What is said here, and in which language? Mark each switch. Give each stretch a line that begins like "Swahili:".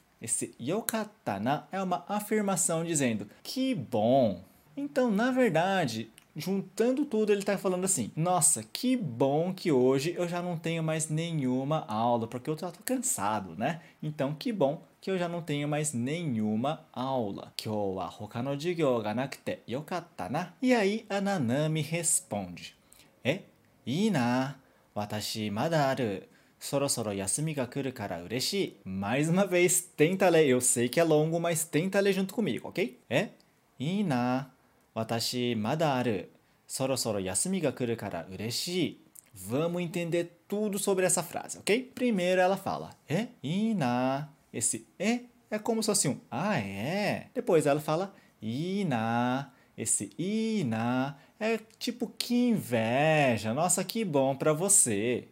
Portuguese: Esse yokatta na é uma afirmação dizendo que bom. Então, na verdade, juntando tudo, ele está falando assim, nossa, que bom que hoje eu já não tenho mais nenhuma aula, porque eu já estou cansado, né? Então, que bom que eu já não tenho mais nenhuma aula.
Japanese: 今日は他の授業がなくてよかったな.
Portuguese: E aí, a Nanami responde,
Japanese: え?いいな。私まだある。そろそろ休みが来るから嬉しい。
Portuguese: Mais uma vez, tenta ler. Eu sei que é longo, mas tenta ler junto comigo, ok?
Japanese: え?いいな。私まだある。そろそろ休みが来るから嬉しい。
Portuguese: Vamos entender tudo sobre essa frase, ok? Primeiro ela fala,
Japanese: え?いいな。
Portuguese: Esse え?É como se fosse ah, é? Depois ela fala,
Japanese: いいな。
Portuguese: Esse いいな。 É tipo, que inveja, nossa, que bom pra você.